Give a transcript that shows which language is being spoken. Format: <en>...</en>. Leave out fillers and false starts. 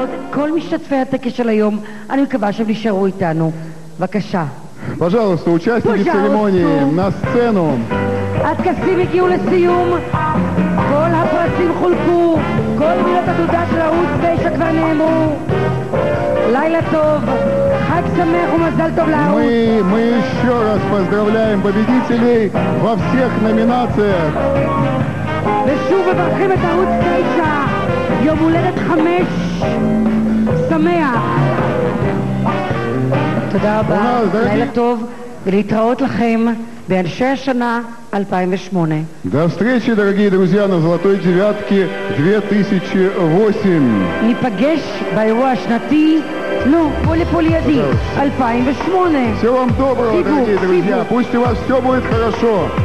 <he>כל משתתפי הטקס של היום, אני מקווה שהם נשארו איתנו. בבקשה.</he> <ru>Пожалуйста, участники церемонии на сцену.</ru> <he>הטקסים הגיעו לסיום, כל הפרסים חולקו, כל מילות התודה של ערוץ 9 כבר נאמרו. לילה טוב, חג שמח ומזל טוב לערוץ.</he> <ru>Мы еще раз поздравляем победителей во всех номинациях.</ru> <he>ושוב מברכים את ערוץ 9, יום הולדת 5. תודה רבה, לילה טוב, ולהתראות לכם באנשי השנה 2008.</he> <ru>До встречи, дорогие друзья, на Золотой девятке 2008.</ru> <he>ניפגש באירוע השנתי, ну, полиполиади, 2008.</he> <ru>Всего вам доброго, дорогие друзья, пусть у вас все будет хорошо.</ru>